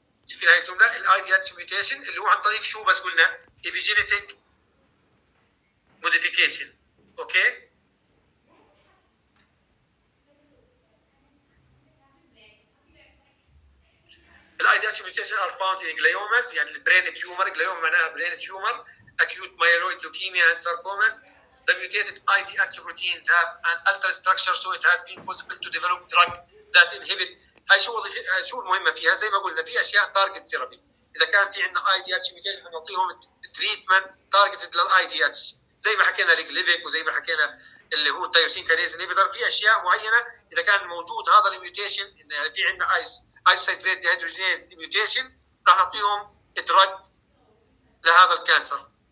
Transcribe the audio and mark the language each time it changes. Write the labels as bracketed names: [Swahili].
[Arabic] في هاي الجمله الاي دي اتش ميوتيشن اللي هو عن طريق شو بس قلنا ايبيجينيتيك موديفيكيشن. اوكي الاي دي اتش ميوتيشن [English] are found in gliomas, [Arabic] يعني البرين تيومر. جليوما معناها برين تيومر. [English] Acute myeloid leukemia and sarcomas. The mutated IDH proteins have an altered structure, so it has been possible to develop drug that inhibit. [Arabic] هاي شو شو المهمة فيها؟ زي ما قلنا في أشياء target therapy. إذا كان في عندنا IDH mutation نعطيهم treatment targeted لل IDH. زي ما حكينا الجليفيك وزي ما حكينا اللي هو التيروسين كينيز إنهبيتر. في أشياء معينة إذا كان موجود هذا الميوتيشن، يعني في عندنا isocitrate dehydrogenase mutation، راح نعطيهم drug لهذا الكانسر.